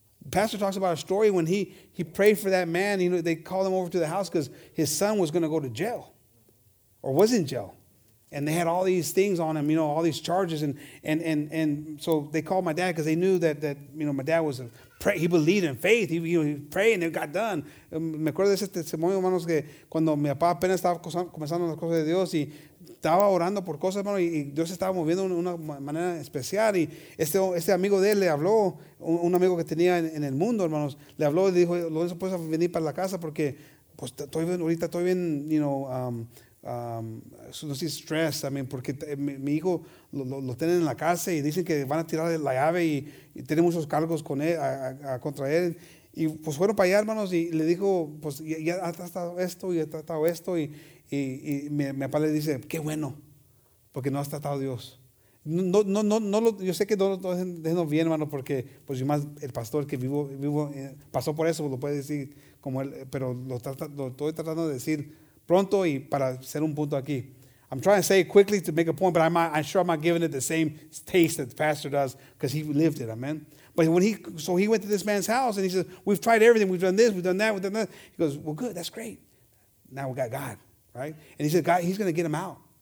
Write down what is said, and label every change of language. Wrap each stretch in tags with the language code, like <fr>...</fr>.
<en>Pastor talks about a story when he prayed for that man. You know, they called him over to the house because his son was going to go to jail or was in jail. And they had all these things on him, you know, all these charges. And so they called my dad because they knew that you know, my dad was a prayer. He believed in faith. He, you know, he prayed and it got done.</en> <es>Me acuerdo de ese testimonio, hermanos, que cuando mi papá apenas estaba comenzando las cosas de Dios y estaba orando por cosas, hermano, y Dios estaba moviendo de una manera especial. Y este amigo de él le habló, un amigo que tenía en el mundo, hermanos, le habló y le dijo, Lorenzo, ¿puedes venir para la casa? Porque pues estoy bien,</es> <en>you know,</en> <es>no sé, stress,</es> <en>I mean,</en> <es>porque mi hijo lo tienen en la casa y dicen que van a tirar la llave y tienen muchos cargos con él, contra él. Y pues fueron para allá, hermanos, y le dijo, pues ya ha tratado esto y ha tratado esto. Y mi papá le dice, qué bueno, porque no has tratado a Dios. Yo sé que no lo bien, hermano, porque pues yo más el pastor que vivo pasó por eso, lo puede decir como él, pero lo estoy tratando de decir. Pronto y para hacer un punto aquí.</es> <en>I'm trying to say it quickly to make a point, but I'm sure I'm not giving it the same taste that the pastor does because he lived it, amen? But he went to this man's house and he says, we've tried everything. We've done this, we've done that, we've done that. He goes, well, good, that's great. Now we got God, right? And he said, God, he's going to get him out.</en>